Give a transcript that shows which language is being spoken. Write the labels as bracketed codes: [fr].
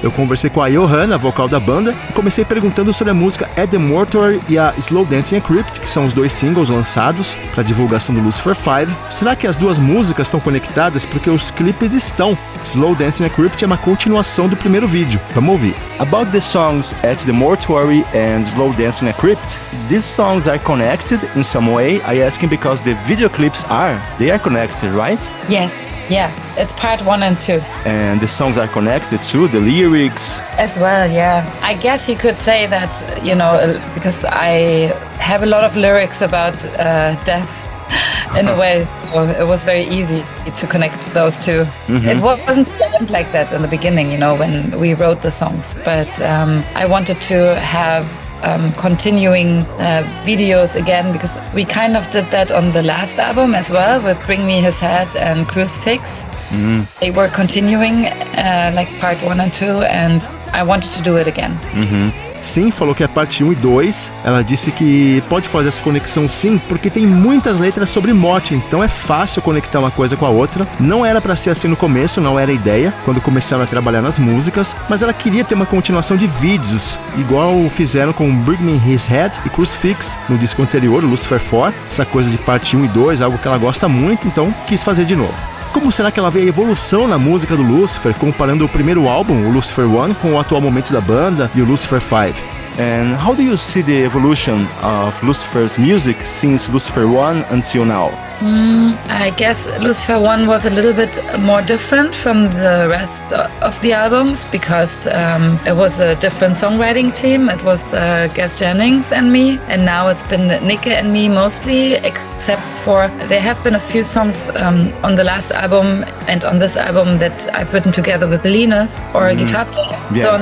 [pt] Eu conversei com a Johanna, vocal da banda, e comecei perguntando sobre a música At The Mortuary e a Slow Dancing A Crypt, que são os 2 singles lançados para divulgação do Lucifer 5. Será que as duas músicas estão conectadas? Porque os clipes estão. Slow Dancing A Crypt é uma continuação do primeiro vídeo. Vamos ouvir. [en] About the songs At The Mortuary and Slow Dancing A Crypt, these songs are connected in some way, I ask him, because the video clips are connected, right? Yes, yeah, it's part 1 and 2. And the songs are connected too, the lyrics? As well, yeah. I guess you could say that, you know, because I have a lot of lyrics about death in a way, so it was very easy to connect those two. Mm-hmm. It wasn't planned like that in the beginning, you know, when we wrote the songs, but I wanted to have continuing videos again, because we kind of did that on the last album as well with Bring Me His Head and Crucifix. Mm-hmm. They were continuing like part 1 and 2, and I wanted to do it again. [pt] Mm-hmm. Sim, falou que é parte 1 e 2. Ela disse que pode fazer essa conexão sim, porque tem muitas letras sobre morte, então é fácil conectar uma coisa com a outra. Não era pra ser assim no começo, não era a ideia, quando começaram a trabalhar nas músicas, mas ela queria ter uma continuação de vídeos, igual fizeram com Bring Me His Head e Crucifix no disco anterior, Lucifer 4. Essa coisa de parte 1 e 2, algo que ela gosta muito, então quis fazer de novo. Como será que ela vê a evolução na música do Lucifer, comparando o primeiro álbum, o Lucifer 1, com o atual momento da banda e o Lucifer 5? [en] And how do you see the evolution of Lucifer's music since Lucifer 1 until now? I guess Lucifer 1 was a little bit more different from the rest of the albums, because it was a different songwriting team. It was Gus Jennings and me, and now it's been Nick and me mostly, except for there have been a few songs on the last album and on this album that I've written together with Linus, or a guitar player.